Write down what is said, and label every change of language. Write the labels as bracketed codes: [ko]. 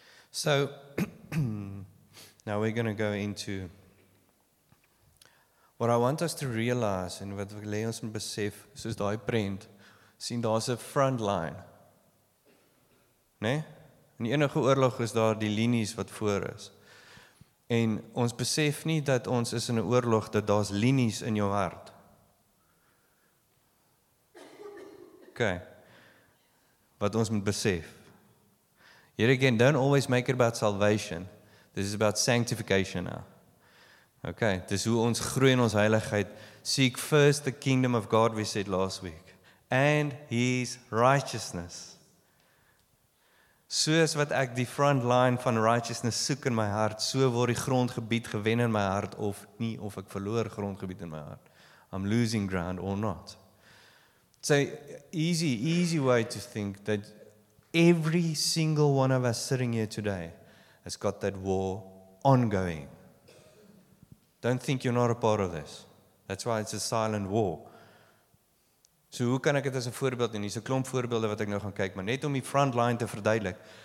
[en] So, now we're going to go into what I want us to realize and what we [af] ons to besef, soos die print, sien daar's 'n front line. Né? In enige oorlog is daar die linies wat voor is. En ons besef nie dat ons is in 'n oorlog, dat daar's linies in jou hart. Okay. Wat ons moet besef. [en] Here again, don't always make it about salvation. This is about sanctification now. [af] Okay, dis hoe ons groei in ons heiligheid. [en] Seek first the kingdom of God, we said last week, and his righteousness. [af] Soos wat ek die front line van righteousness soek in my hart, so word die grondgebied gewen in my hart of nie, of ek verloor grondgebied in my hart. [en] I'm losing ground or not. So easy way to think that every single one of us sitting here today has got that war ongoing. Don't think you're not a part of this. That's why it's a silent war. [af] So hoe kan ek dit as 'n voorbeeld neem? Hier's 'n klomp voorbeelde wat ek nou gaan kyk, maar net om die front line te verduidelik.